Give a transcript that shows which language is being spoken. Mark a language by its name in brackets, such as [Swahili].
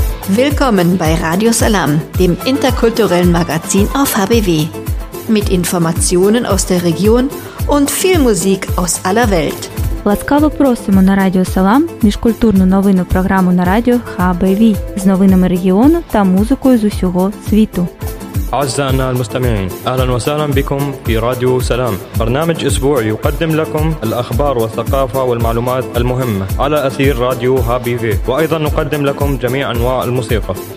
[German] Willkommen bei Radio Salam, dem interkulturellen Magazin auf HBW. Mit Informationen aus der Region und viel Musik aus aller Welt. [Ukrainian] Ласкаво просимо на Радіо Салам міжкультурну новинну програму на радіо HBV з новинами регіону та музикою з усього світу. [Arabic] أعزائنا المستمعين أهلا وسهلا بكم في راديو سلام برنامج أسبوعي يقدم لكم الأخبار والثقافة والمعلومات المهمة على أثير راديو هابي في وأيضا نقدم لكم جميع أنواع الموسيقى